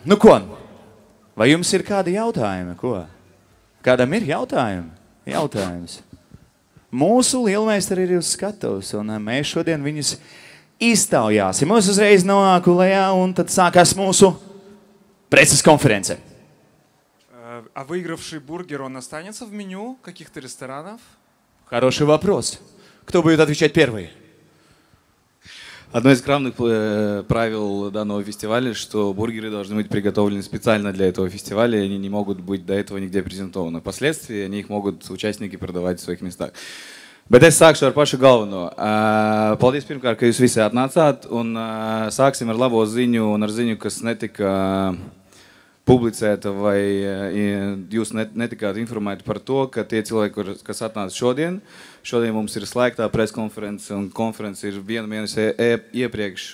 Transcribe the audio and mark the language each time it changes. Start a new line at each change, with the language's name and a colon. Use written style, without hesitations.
Latvian: Nu ko, vai jums ir kādi jautājumi? Ko? Kādam ir jautājumi? Jautājums. Mūsu lielmeistari ir uz skatuves, un mēs šodien viņus iztaujāsim. Mums uzreiz nonāku lejā, un tad sākās mūsu preses konference.
Russian: А выигравший бургер, он останется в меню каких-то ресторанов? Хороший вопрос. Кто будет отвечать первый? Одно из главных правил данного фестиваля, что бургеры должны быть приготовлены специально для этого фестиваля, и они не могут быть до этого нигде презентованы. Впоследствии они их могут участники продавать в своих местах.
Latvian: Bet es sākšu ar pašu galvenu. Paldies pirmkārt, ka jūs visi atnācāt. Un sāksim ar labo ziņu un ar ziņu, kas netika publicēta vai jūs netikāt informēt par to, ka tie cilvēki, kas atnāca šodien, šodien mums ir slēgtā preskonference un konference ir vienu mēnesi iepriekš.